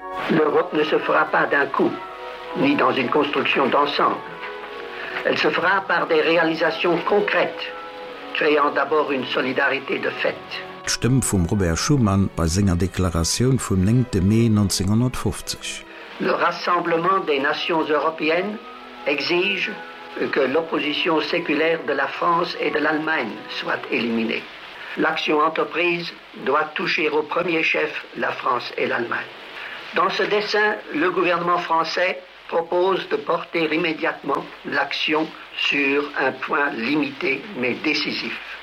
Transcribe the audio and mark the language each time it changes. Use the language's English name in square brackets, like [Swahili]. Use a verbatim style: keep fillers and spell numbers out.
[French] L'Europe ne se fera pas d'un coup, ni dans une construction d'ensemble. Elle se fera par des réalisations concrètes, créant d'abord une solidarité de fait. [German] Stimme vom Robert Schumann bei seiner Deklaration vom neunten Mai neunzehnhundertfünfzig. [French] Le rassemblement des nations européennes exige que l'opposition séculaire de la France et de l'Allemagne soit éliminée. L'action entreprise doit toucher au premier chef la France et l'Allemagne. Dans ce dessein, le gouvernement français propose de porter immédiatement l'action sur un point limité mais décisif.